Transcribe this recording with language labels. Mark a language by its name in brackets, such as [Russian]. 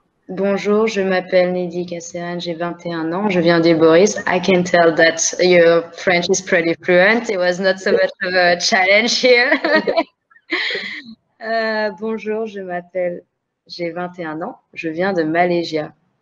[French] Bonjour, je m'appelle Nidhi Kasserine, j'ai 21 ans, je viens de Boris. [English] I can tell that your French is pretty fluent. It was not so much of a challenge here. [French] bonjour, je m'appelle, j'ai 21 ans, je viens de Malaysia.